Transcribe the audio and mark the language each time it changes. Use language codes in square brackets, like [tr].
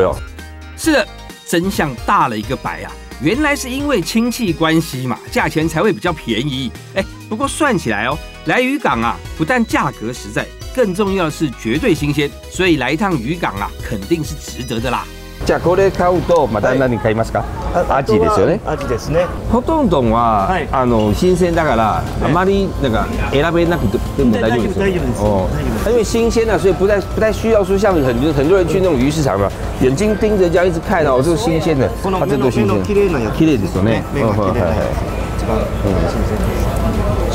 [zh] 哟。是的，真相大了一个白啊！原来是因为亲戚关系嘛，价钱才会比较便宜。哎，不过算起来哦，来渔港啊，不但价格实在，更重要的是绝对新鲜，所以来一趟渔港啊，肯定是值得的啦。 [ja] じゃあこれ買うとまた何買いますか？アジですよね。アジですね。ほとんどは、はい、あの新鮮だから、ね、あまりなんか選べなくても大丈夫です。大丈夫です。大丈夫です。 [zh] 因为新鲜的，所以不太需要说像很多人去那种鱼市场嘛，眼睛盯着这样一直看哦，这个新鲜的，啊，这都新鲜。 [ja] 綺麗なやつ。綺麗ですよね。目が綺麗なやつ。一番新鮮です。